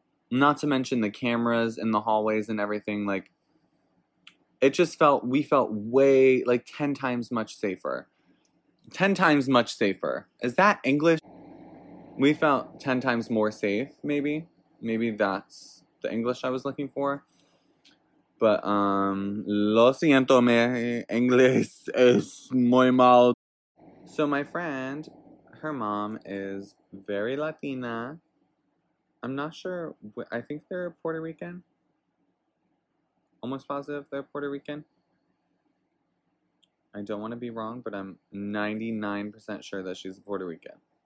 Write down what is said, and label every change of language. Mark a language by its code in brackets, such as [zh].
[en] Not to mention the cameras in the hallways and everything. Like, it just felt, we felt way, like 10 times much safer. 10 times much safer. Is that English? We felt 10 times more safe, maybe. Maybe that's the English I was looking for. But, [es] lo siento, mi inglés es muy mal. [en] So my friend, her mom is very Latina. I'm not sure. I think they're Puerto Rican. Almost positive they're Puerto Rican. I don't want to be wrong, but I'm 99% sure that she's Puerto Rican.